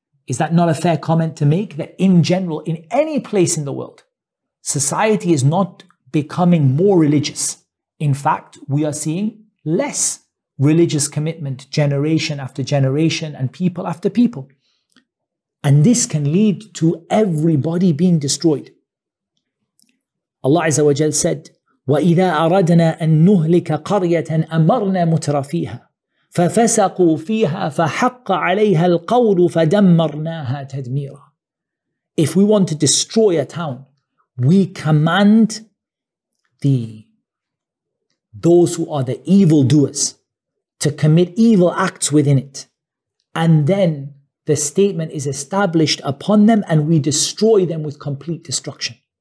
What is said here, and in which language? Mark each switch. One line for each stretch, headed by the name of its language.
English: Is that not a fair comment to make? That in general, in any place in the world, society is not becoming more religious. In fact, we are seeing less religious commitment generation after generation and people after people. And this can lead to everybody being destroyed. Allah Azza wa Jal said,
Arabic: وَإِذَا أَرَدْنَا أَن نُهْلِكَ قَرْيَةً أَمَرْنَا مُتْرَفِيهَا فَفَسَقُوا فِيهَا فَحَقَّ عَلَيْهَا الْقَوْلُ فَدَمَّرْنَاهَا تَدْمِيرًا.
English: If we want to destroy a town, we command those who are the evildoers to commit evil acts within it. And then the statement is established upon them and we destroy them with complete destruction.